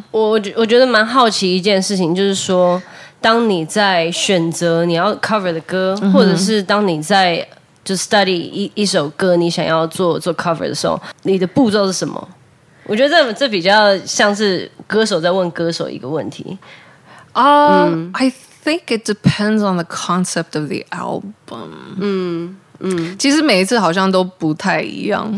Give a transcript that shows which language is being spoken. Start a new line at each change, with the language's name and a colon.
Chinese: 我觉得蛮好奇一件事情就是说当你在选择你要 cover 的歌、嗯、或者是当你在就 study 一首歌你想要做 cover 的时候你的步骤是什么我觉得 这比较像是歌手在问歌手一个问题、
English: 嗯、I think it depends on the concept of the album 嗯嗯，
Chinese: 其实每一次好像都不太一样